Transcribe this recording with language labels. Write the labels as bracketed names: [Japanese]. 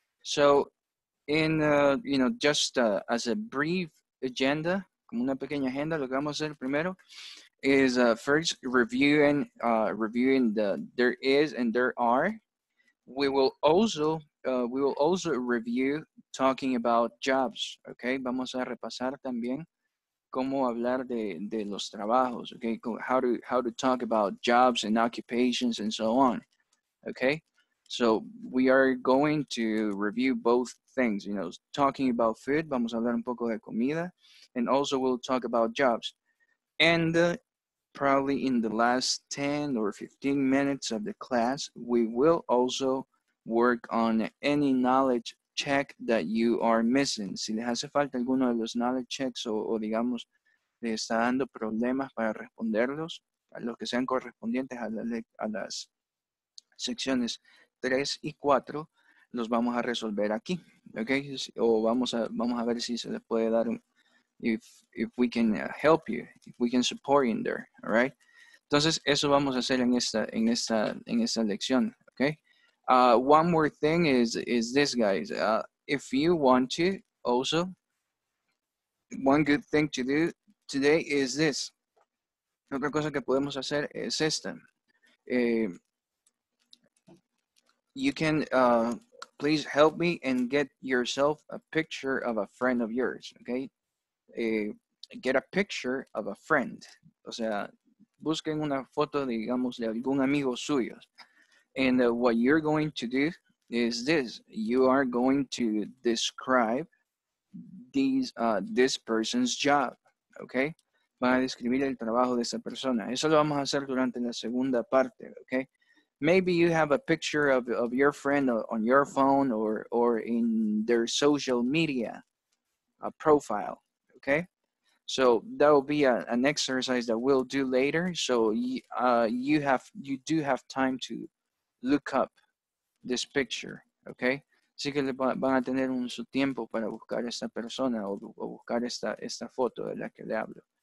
[English] So in just as a brief agenda, [Spanish] como una pequeña agenda, lo que vamos a hacer primero [English] is first reviewing the there is and there are. We will also review talking about jobs, okay? [Spanish] Vamos a repasar también cómo hablar de los trabajos, okay? [English] How to talk about jobs and occupations and so on, okay? So we are going to review both things, talking about food, [Spanish] vamos a hablar un poco de comida, [English] and also we'll talk about jobs. And probably in the last 10 or 15 minutes of the class, we will also work on any knowledge check that you are missing. [Spanish] Si les hace falta alguno de los knowledge checks o digamos, les está dando problemas para responderlos, a los que sean correspondientes a las secciones 3 y 4, los vamos a resolver aquí. Okay? O vamos a ver si se les puede dar, [English] if we can help you, if we can support you in there. All right? [Spanish] Entonces, eso vamos a hacer en esta lección. [English] Okay? One more thing is this, guys. If you want to, also, one good thing to do today is this. [Spanish] Otra cosa que podemos hacer es esta. [English] You can please help me and get yourself a picture of a friend of yours, okay? Get a picture of a friend. [Spanish] O sea, busquen una foto, digamos, de algún amigo suyo. [English] And what you're going to do is this. You are going to describe this person's job, okay? [Spanish] Van a describir el trabajo de esa persona. Eso lo vamos a hacer durante la segunda parte, okay? [English] Maybe you have a picture of your friend on your phone or in their social media, a profile, okay? So that will be an exercise that we'll do later. So you do have time to look up this picture, okay? [Spanish] Así que van a tener su tiempo para buscar esta persona o buscar esta foto de la que le hablo.